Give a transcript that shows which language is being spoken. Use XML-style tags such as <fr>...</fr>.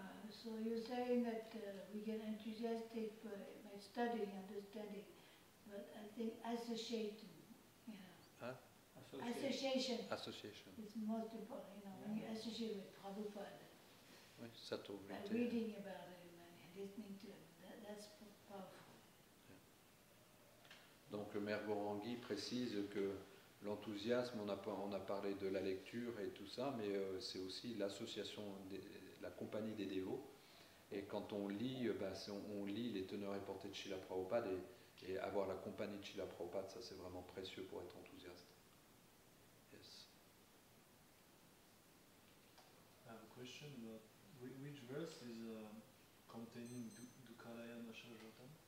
<en>So you're saying that we get enthusiastic by studying, understanding, but I think association, Association. Association. It's most important, when you associate with Prabhupada.</en> <fr>Oui, ça tourne.</fr> <en>By reading about him and listening to him, that's powerful.</en> <fr>Donc le maire Gaurangi précise que l'enthousiasme, on a parlé de la lecture et tout ça, mais c'est aussi l'association, la compagnie des dévots. Et quand on lit, on lit les teneurs et portées de Srila Prabhupada, et avoir la compagnie de Srila Prabhupada, ça c'est vraiment précieux pour être enthousiaste.</fr> <en>Question, but which verse is containing Dukkhalaya Nashajatam?</en>